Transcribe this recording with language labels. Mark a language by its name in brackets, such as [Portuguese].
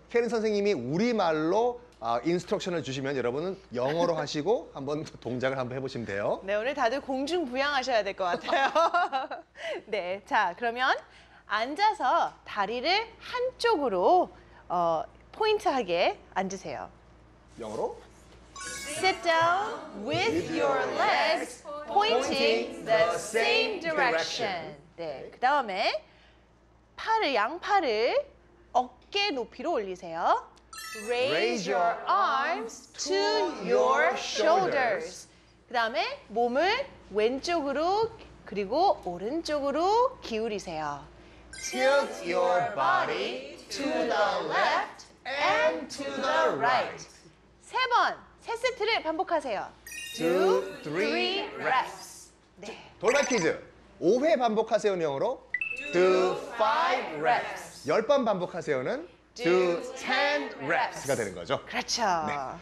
[Korean] 케린 선생님이 우리말로 인스트럭션을 주시면 여러분은 영어로 하시고 한번 동작을 한번 해보시면 돼요. 네, 오늘 다들 공중부양하셔야 될 것 같아요. 네, 자, 그러면 앉아서 다리를 한쪽으로 포인트하게 앉으세요. 영어로? [English] Sit down with your legs pointing the same direction. [Korean] 네, 그 다음에 팔을 양팔을 어깨 높이로 올리세요. [English] Raise your arms to your shoulders. [Korean] 그 다음에 몸을 왼쪽으로 그리고 오른쪽으로 기울이세요. [English] Tilt your body to the left and to the right. [Korean] 세 번, 세 세트를 반복하세요. [English] Two, three reps. [Korean] 네. 돌발 퀴즈. 5회 반복하세요는 영어로? [English] Do five reps. [Korean] 열 번 반복하세요는? [English] Do ten reps. [Korean] 가 되는 거죠. 그렇죠. 네.